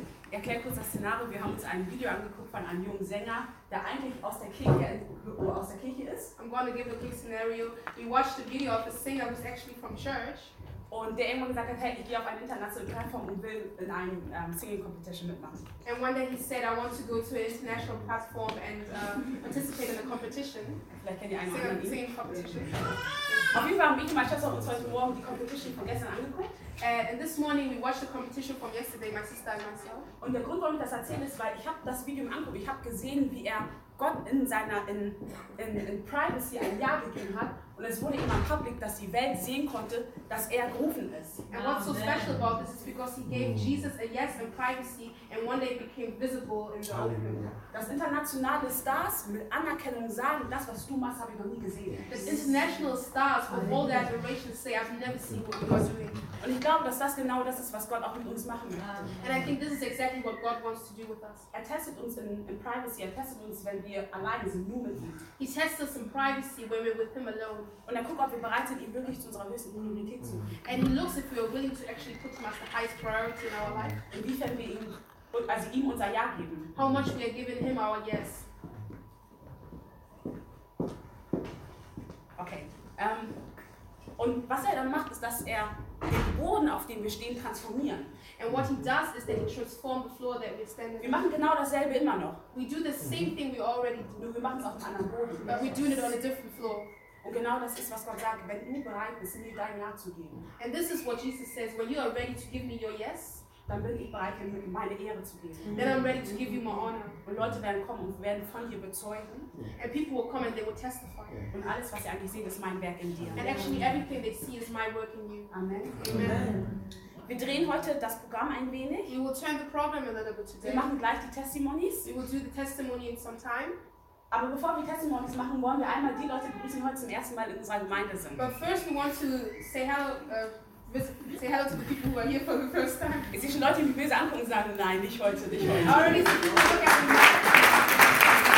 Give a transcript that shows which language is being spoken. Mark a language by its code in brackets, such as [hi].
[de] Erklär kurz das Szenario. Wir haben uns ein Video angeguckt von einem jungen Sänger, der eigentlich aus der Kirche, ist. [en] I'm going to give a quick scenario. We watched the video of a singer who's actually from church. [de] Und der irgendwann gesagt hat, hey, ich gehe auf eine internationale Plattform und will in einem Singing Competition mitmachen. [en] And one day he said, I want to go to an international platform and participate in a competition. [de] Vielleicht kennt ihr einen anderen. [en] Singing Competition. [de] Auf jeden Fall haben mich und meine Schwester uns heute Morgen die Competition von gestern angeguckt. [en] And this morning we watched the competition from yesterday, my sister and myself. [de] Und der Grund, warum ich das erzähle, ist, weil ich habe das Video angeguckt. Ich habe gesehen, wie er Gott in seiner in Privacy ein Ja gegeben hat. Und es wurde immer public, dass die Welt sehen konnte, dass er gerufen ist. [en] And what's so special about this is because he gave Jesus a yes in privacy and one day became visible in the open. [de] Dass internationale Stars mit Anerkennung sagen, das, was du machst, habe ich noch nie gesehen. [en] Yes. International Stars with all their admiration say, I've never seen what you are doing. [de] Und ich glaube, dass das genau das ist, was Gott auch mit uns machen möchte. [en] And I think this is exactly what God wants to do with us. [de] Er testet uns in privacy, er testet uns, wenn wir allein sind, nur mit ihm. [en] He tests us in privacy when we're with him alone. [de] Und er guckt, ob wir bereit sind, ihn wirklich zu unserer höchsten Priorität zu. [en] And he looks if we are willing to actually put him as the highest priority in our life. [de] Inwiefern wir ihm, also ihm unser Ja geben. [en] How much we are giving him our yes. Okay. [de] Und was er dann macht, ist, dass er den Boden, auf dem wir stehen, transformiert. [en] And what he does is that he transforms the floor that we're standing on. [de] Wir machen genau dasselbe immer noch. [en] We do the same thing we already do. [de] Nur wir machen es auf einem anderen Boden. [en] But we're doing it on a different floor. [de] Und genau das ist, was Gott sagt, wenn du bereit bist, mir dein Ja zu geben. [en] And this is what Jesus says, when you are ready to give me your yes, [de] dann bin ich bereit, dir meine Ehre zu geben. [en] Then I'm ready to give you my honor. [de] Und Leute werden kommen und werden von dir bezeugen. [en] And people will come and they will testify. [de] Und alles, was sie eigentlich sehen, ist mein Werk in dir. [en] And actually everything they see is my work in you. Amen. Amen. Amen. [de] Wir drehen heute das Programm ein wenig. [en] We will turn the program a little bit today. [de] Wir machen gleich die Testimonies. [en] We will do the testimony in some time. [de] Aber bevor wir Testimonies machen, wollen wir einmal die Leute begrüßen, die heute zum ersten Mal in unserer Gemeinde sind. [en] But first we want to say hello to the people who are here for the first time. [de] Ich sehe schon Leute, die mich böse angucken und sagen, nein, nicht heute, nicht heute. [en] Already see people looking at me.